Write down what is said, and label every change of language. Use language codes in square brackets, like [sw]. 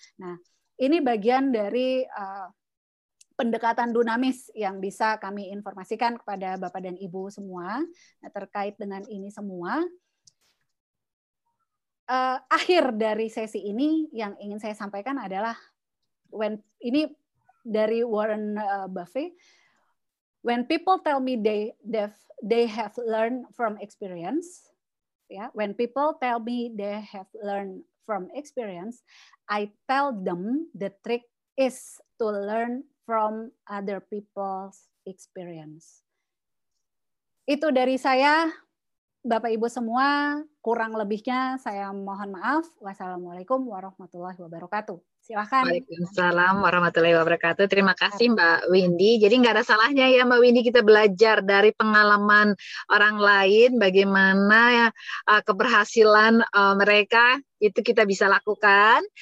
[id] Nah, ini bagian dari pendekatan dunamis yang bisa kami informasikan kepada Bapak dan Ibu semua terkait dengan ini semua. Akhir dari sesi ini yang ingin saya sampaikan adalah ini dari Warren Buffett. [en] When people tell me they have learned from experience, yeah, when people tell me they have learned from experience, I tell them the trick is to learn from other people's experience. [id] Itu dari saya, Bapak Ibu semua, kurang lebihnya saya mohon maaf. Wassalamualaikum warahmatullahi wabarakatuh. Silakan. Waalaikumsalam warahmatullahi wabarakatuh. Terima kasih Mbak Windy. Jadi nggak ada salahnya ya Mbak Windy kita belajar dari pengalaman orang lain bagaimana keberhasilan mereka itu kita bisa lakukan.